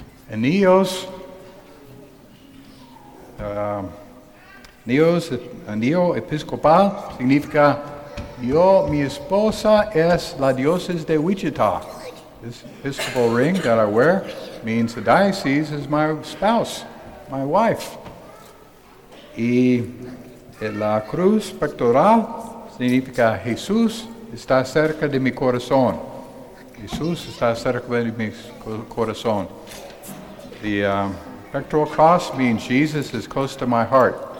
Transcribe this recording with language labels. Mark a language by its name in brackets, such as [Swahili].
[Spanish] Anillo episcopal significa mi esposa es la diócesis de Wichita. [English] This episcopal ring that I wear means the diocese is my spouse, my wife. [Spanish] Y la cruz pectoral significa Jesús está cerca de mi corazón. Jesús está cerca de mi corazón. [English] The pectoral cross means Jesus is close to my heart.